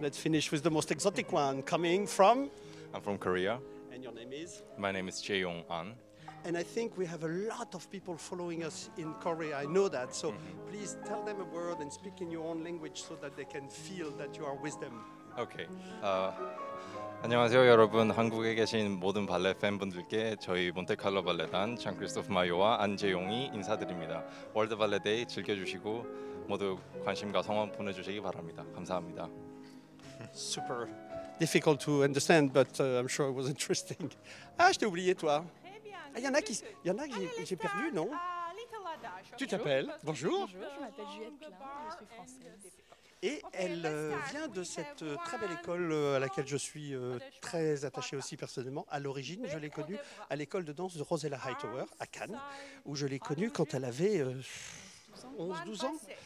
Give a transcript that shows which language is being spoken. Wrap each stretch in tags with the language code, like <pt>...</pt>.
<en>Let's finish with the most exotic one. Coming from? I'm from Korea. And your name is? My name is Cheong An. And I think we have a lot of people following us in Korea. I know that. So please tell them a word and speak in your own language so that they can feel that you are with them. Okay.</en> <ko>안녕하세요, 여러분. 한국에 계신 모든 발레 팬분들께 저희 몬테칼로 발레단 장크리스토프 마요와 안재용이 인사드립니다. 월드 발레 데이 즐겨주시고 모두 관심과 성원 보내주시기 바랍니다. 감사합니다.</ko> <en>Super. Difficult to understand, but I'm sure it was interesting.</en> <fr>Ah, je t'ai oublié, toi. Ah, y en a qui j'ai perdu, non? Tu t'appelles? Bonjour. Bonjour, je m'appelle Juliette Klein, je suis française. Et elle vient de cette très belle école à laquelle je suis très attachée aussi personnellement. À l'origine, je l'ai connue à l'école de danse de Rosella Hightower, à Cannes, où je l'ai connue quand elle avait 11-12 ans.</fr>